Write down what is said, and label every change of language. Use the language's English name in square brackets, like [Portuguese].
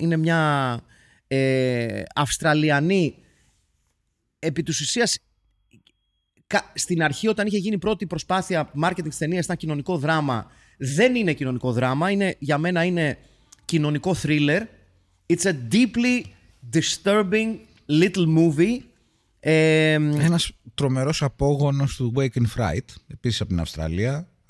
[Greek] Είναι μια Αυστραλιανή, επί της ουσίας, στην αρχή όταν είχε γίνει πρώτη προσπάθεια marketing της ταινίας, ήταν κοινωνικό δράμα. Δεν είναι κοινωνικό δράμα, για μένα είναι κοινωνικό thriller. [English] It's a deeply disturbing little movie. [Greek] Ένας τρομερός απόγονος του Wake and Fright, επίσης από την Αυστραλία.